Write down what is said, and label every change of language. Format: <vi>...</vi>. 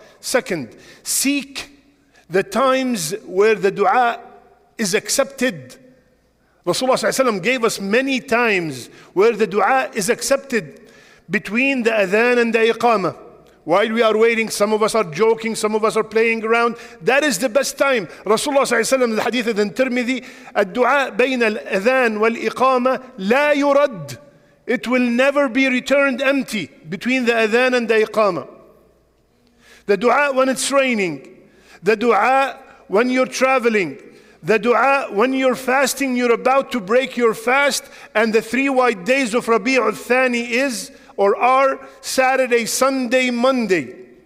<en>Second, seek the times where the dua is accepted. Rasulullah ﷺ gave us many times where the dua is accepted, between the adhan and the iqamah. While we are waiting, some of us are joking, some of us are playing around. That is the best time. Rasulullah ﷺ, the hadith in Tirmidhi,</en> <ar>الدُعَاء بين الأذان والإقامة لا يرد.</ar> <en>It will never be returned empty between the adhan and the iqamah. The dua when it's raining, the dua when you're traveling, the dua when you're fasting, you're about to break your fast, and the three white days of Rabi'ul Thani is or are Saturday, Sunday, Monday.</en>